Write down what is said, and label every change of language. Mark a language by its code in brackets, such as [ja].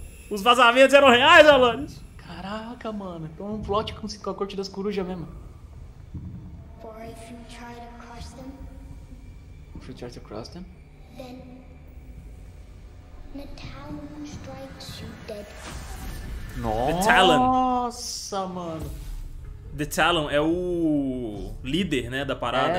[pt] Os vazamentos eram reais, Alanis! Caraca, mano. Então é um plot com a corte das corujas mesmo. [en] For if you try to cross them. If you try to cross them. Then the town strikes you dead. [pt] Nossa, the Talon. Nossa, mano. The Talon é o líder, né, da parada.